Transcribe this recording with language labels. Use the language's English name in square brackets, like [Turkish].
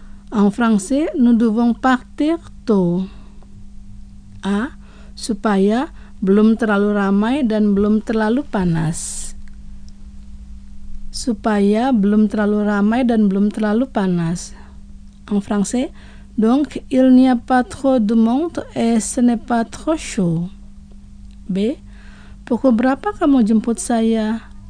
[French] En français, nous devons partir tôt. A. [Indonesian] Supaya belum terlalu ramai dan belum terlalu panas. [French] En français, donc, il n'y a pas trop de monde et ce n'est pas trop chaud. B. [Indonesian] Pukul berapa kamu jemput saya?